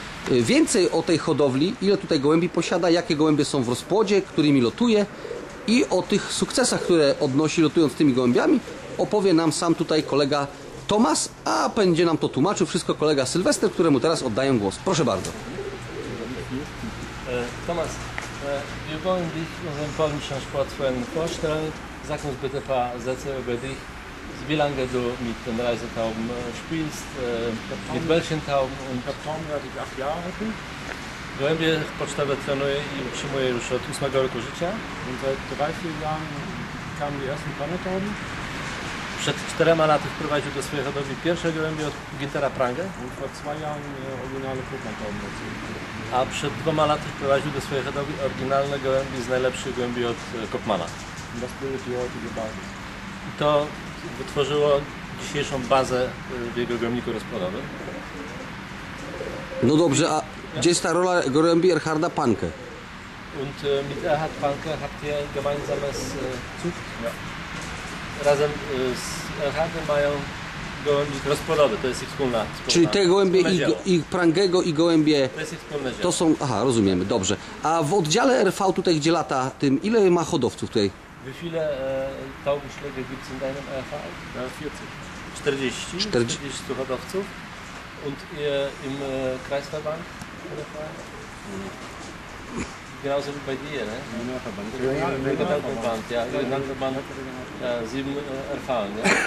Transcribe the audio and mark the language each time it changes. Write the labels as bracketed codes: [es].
[pl] Więcej o tej hodowli, ile tutaj gołębi posiada, jakie gołębie są w rozpłodzie, którymi lotuje i o tych sukcesach, które odnosi lotując tymi gołębiami, opowie nam sam tutaj kolega Tomas, a będzie nam to tłumaczył wszystko kolega Sylwester, któremu teraz oddaję głos. Proszę bardzo. [de] Tomas, wir wollen dich unseren polnischen Sportfreunden vorstellen. Sag uns bitte ein paar Sätze über dich. Wie lange du mit den Reisetauben spielst, mit welchen Tauben? Und ich habe Tauben, seit ich 8 Jahre bin. [pl] Gołębie pocztowe trenuję i utrzymuję już od 8 roku życia. [de] Und seit 3-4 Jahren kamen die ersten Pannetauben. [pl] Przed 4 laty wprowadził do swojej hodowli pierwsze gołębie od Gintera Prange. [de] Und vor 2 Jahren [pl] oryginalne [de] Krupp-Tauben. [pl] A przed 2 laty wprowadził do swojej hodowli oryginalne gołębie z najlepszych gołębi od Kopmana. [de] Das bildet die heutige Basis. [pl] I to wytworzyło dzisiejszą bazę w jego gołębniku rozpłodowym. No dobrze, a gdzie jest ta rola gołębi Erharda Panke? [de] Und mit Erhard Panke habt ihr gemeinsames Zucht? Ja. [pl] Razem z Erhardem mają gołębnik rozpłodowy, to jest ich wspólna. Czyli te gołębie i Prangego i gołębie... To jest ich wspólne dzieło. To są... Aha, rozumiemy, dobrze. A w oddziale RV tutaj, gdzie lata tym, ile ma hodowców tutaj? [de] Wie viele Taubenschläge gibt es in deinem RV? 40. [pl] 40 hodowców. [de] Und ihr im Kreisverband RV? Genauso wie bei dir, ne? Regionalverband. Regionalverband, ja. 7 RV, ne?